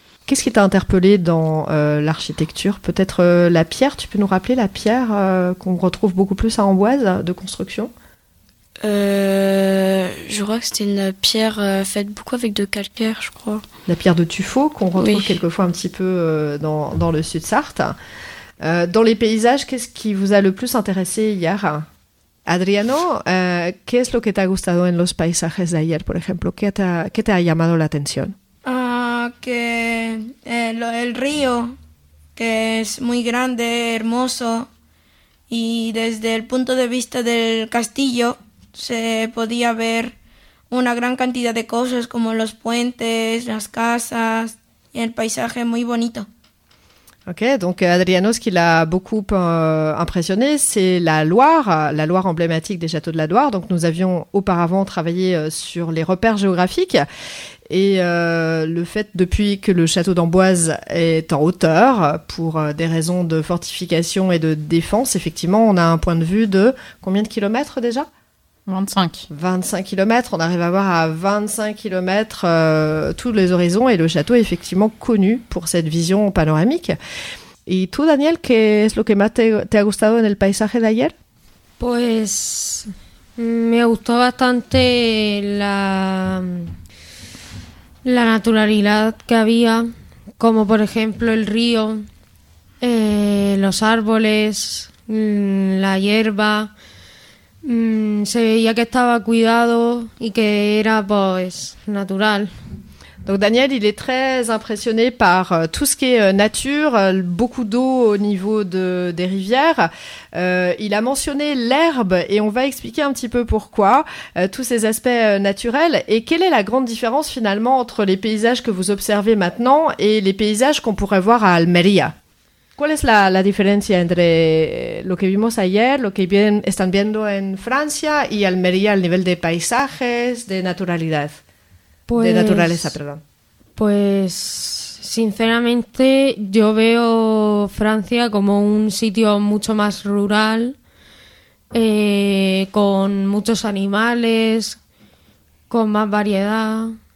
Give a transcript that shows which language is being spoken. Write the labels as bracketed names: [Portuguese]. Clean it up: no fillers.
[French] Qu'est-ce qui t'a interpellé dans l'architecture? Peut-être la pierre, tu peux nous rappeler la pierre qu'on retrouve beaucoup plus à Amboise de construction? Je crois que c'était une pierre faite beaucoup avec de calcaire, je crois. La pierre de tuffeau qu'on retrouve quelquefois un petit peu dans le sud Sarthe. Dans les paysages, qu'est-ce qui vous a le plus intéressé hier? [Spanish] Adriano, ¿qué es lo que te ha gustado en los paisajes de ayer, por ejemplo? ¿Qué te ha llamado la atención? Que el río, que es muy grande, hermoso, y desde el punto de vista del castillo se podía ver una gran cantidad de cosas como los puentes, las casas, y el paisaje muy bonito. [French] Ok, donc Adriano, ce qui l'a beaucoup impressionné, c'est la Loire emblématique des châteaux de la Loire. Donc nous avions auparavant travaillé sur les repères géographiques et le fait depuis que le château d'Amboise est en hauteur pour des raisons de fortification et de défense, effectivement, on a un point de vue de combien de kilomètres déjà ? 25. 25 kilomètres, on arrive à voir à 25 kilomètres tous les horizons et le château est effectivement connu pour cette vision panoramique. Et toi Daniel, qu'est-ce que [Spanish] te ha gustado en el paisaje d'ayer? Pues me gustó bastante la naturalidad que había, como por ejemplo el río, los árboles, la hierba. Se veía que estaba cuidado y que era pues natural. [French] Donc Daniel, il est très impressionné par tout ce qui est nature, beaucoup d'eau au niveau des rivières. Il a mentionné l'herbe et on va expliquer un petit peu pourquoi, tous ces aspects naturels. Et quelle est la grande différence finalement entre les paysages que vous observez maintenant et les paysages qu'on pourrait voir à Almería? [Spanish] ¿Cuál es la diferencia entre lo que vimos ayer, lo que están viendo en Francia y Almería al nivel de paisajes, de naturalidad? Pues, de naturaleza, perdón. Pues, sinceramente, yo veo Francia como un sitio mucho más rural, con muchos animales, con más variedad.